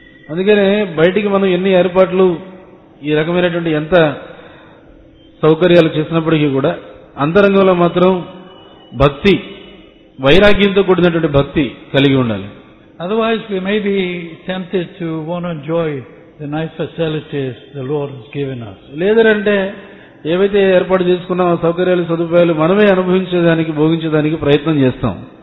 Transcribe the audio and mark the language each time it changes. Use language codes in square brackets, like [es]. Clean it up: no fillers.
[te] అందుకనే బయటికి మనం ఎన్ని ఏర్పాట్లు ఈ రకమైనటువంటి ఎంత సౌకర్యాలు చేసినప్పటికీ కూడా అంతరంగంలో మాత్రం భక్తి, వైరాగ్యంతో కూడినటువంటి భక్తి కలిగి ఉండాలి. [en] Otherwise we may be tempted to want to enjoy the nice facilities the Lord has given us. [te] లేదంటే ఏవైతే ఏర్పాటు చేసుకున్నామో సౌకర్యాలు సదుపాయాలు మనమే అనుభవించేదానికి భోగించేదానికి ప్రయత్నం చేస్తాం.